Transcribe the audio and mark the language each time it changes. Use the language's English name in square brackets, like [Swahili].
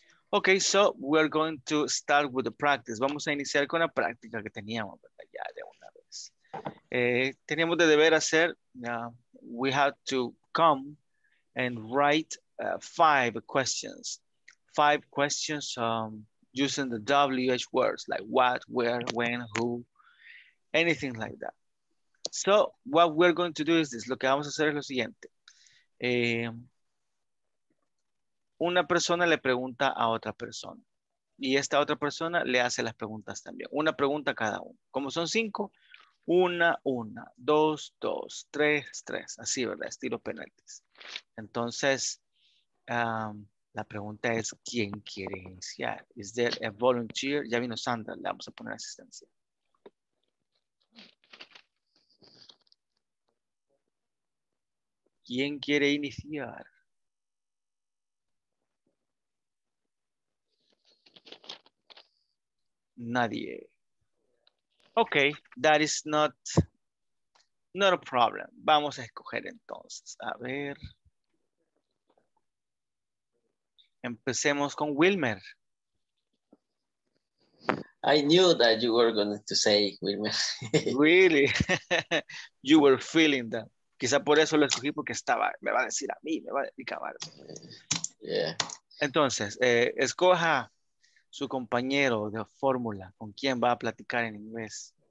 [English] Ok, so we're going to start with the practice. [Spanish] Vamos a iniciar con la práctica que teníamos, ¿verdad? Ya de una vez. Teníamos de deber hacer. [English] We have to come and write five questions. Five questions. Using the WH words, like what, where, when, who, anything like that. So, what we're going to do is this. [Spanish] Lo que vamos a hacer es lo siguiente. Una persona le pregunta a otra persona. Y esta otra persona le hace las preguntas también. Una pregunta cada uno. ¿Cómo son cinco? Una, dos, dos, tres, tres. Así, ¿verdad? Estilo penaltis. Entonces, la pregunta es, ¿quién quiere iniciar? [English] Is there a volunteer? [Spanish] Ya vino Sandra, le vamos a poner asistencia. ¿Quién quiere iniciar? [English] Nadie. Ok, that is not a problem. [Spanish] Vamos a escoger entonces. A ver... Empecemos con Wilmer. [English] I knew that you were going to say Wilmer. Really? You were feeling that. [Spanish] Quizá por eso lo escogí, porque estaba, me va a decir a mí, me va a dedicar. [English] Yeah. [Spanish] Entonces, escoja su compañero de fórmula con quien va a platicar en inglés.